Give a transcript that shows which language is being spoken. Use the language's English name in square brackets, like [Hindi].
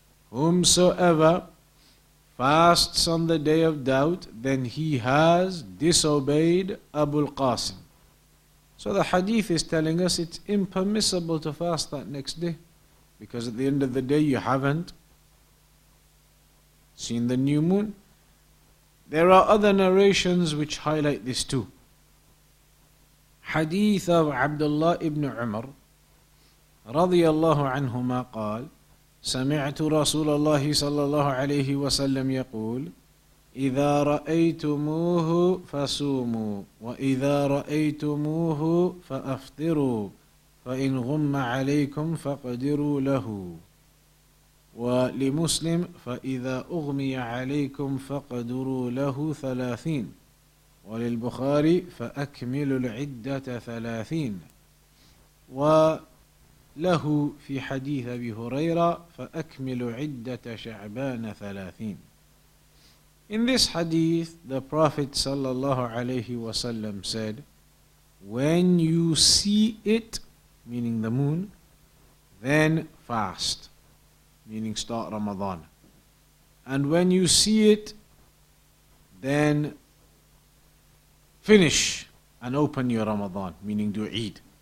[English] Whomsoever fasts on the day of doubt, then he has disobeyed Abu al-Qasim. So the hadith is telling us it's impermissible to fast that next day, because at the end of the day you haven't seen the new moon. There are other narrations which highlight this too. Hadith of Abdullah ibn Umar radiyallahu anhuma qal, [Arabic] سمعت رسول الله صلى الله عليه وسلم يقول إذا رأيتموه فصوموا وإذا رأيتموه فأفطروا فإن غم عليكم فاقدروا له ولمسلم فإذا أغمي عليكم فاقدروا له 30 وللبخاري فأكمل العدة 30 و له في حديث أبي هريرة فأكمل عدة شعبان 30. [English] In this hadith, the Prophet صلى الله عليه وسلم said, when you see it, meaning the moon, then fast, meaning start Ramadan. And when you see it, then finish and open your Ramadan, meaning do Eid.